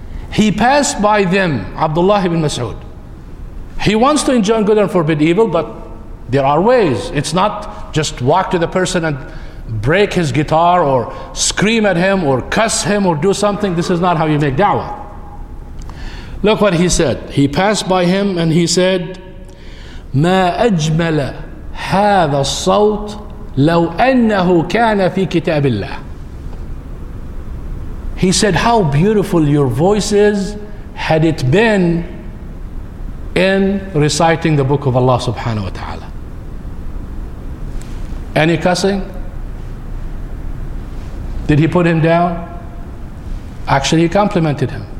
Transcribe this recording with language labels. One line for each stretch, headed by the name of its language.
English: He passed by them, Abdullah ibn Mas'ud. He wants to enjoy good and forbid evil, but there are ways. It's not just walk to the person and break his guitar or scream at him or cuss him or do something. This is not how you make da'wah. Look what he said. He passed by him and he said,
Arabic: ما أجمل هذا الصوت لو أنه كان في كتاب الله.
English: He said, how beautiful your voice is had it been in reciting the book of Allah subhanahu wa ta'ala. Any cussing? Did he put him down? Actually, he complimented him.